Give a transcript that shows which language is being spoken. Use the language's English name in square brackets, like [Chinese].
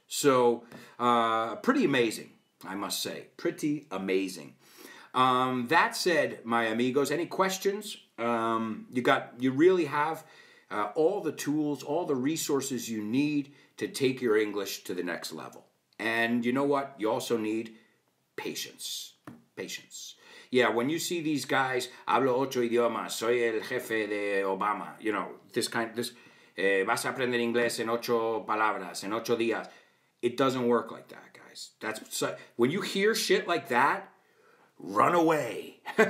[English] So pretty amazing, I must say. Pretty amazing. That said, my amigos, any questions? You really have all the tools, all the resources you need to take your English to the next level. And you know what? You also need patience. Patience. Yeah, when you see these guys, [Spanish] hablo ocho idiomas, soy el jefe de Obama, [English] you know, [Spanish] vas a aprender inglés en ocho palabras, en ocho días. [English] It doesn't work like that, guys. That's so, when you hear shit like that, run away.